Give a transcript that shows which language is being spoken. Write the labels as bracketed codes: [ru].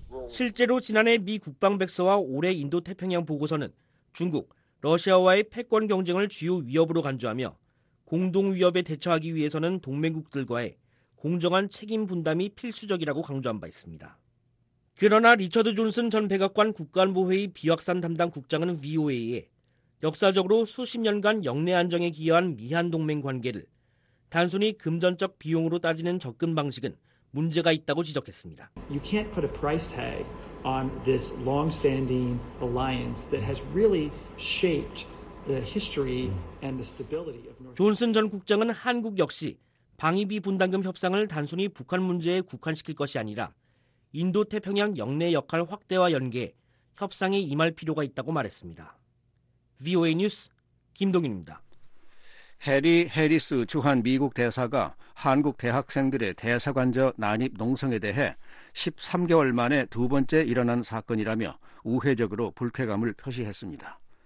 [ko] 실제로 지난해 미 국방백서와 올해 인도태평양 보고서는 중국, 러시아와의 패권 경쟁을 주요 위협으로 간주하며 공동 위협에 대처하기 위해서는 동맹국들과의 공정한 책임 분담이 필수적이라고 강조한 바 있습니다. 그러나 리처드 존슨 전 백악관 국가안보회의 비확산 담당 국장은 VOA에 역사적으로 수십 년간 역내 안정에 기여한 미한 동맹 관계를 단순히 금전적 비용으로 따지는 접근 방식은 문제가 있다고 지적했습니다. [en] You can't put a price tag on this long-standing alliance that has really shaped the history and the stability of North. [ko] 존슨 전 국장은 한국 역시 방위비 분담금 협상을 단순히 북한 문제에 국한시킬 것이 아니라 인도태평양 역내 역할 확대와 연계, 협상에 임할 필요가 있다고 말했습니다. VOA 뉴스 김동윤입니다. 해리 해리스 주한 미국 대사가 한국 대학생들의 대사관저 난입 농성에 대해 13개월 만에 두 번째 일어난 사건이라며 우회적으로 불쾌감을 표시했습니다.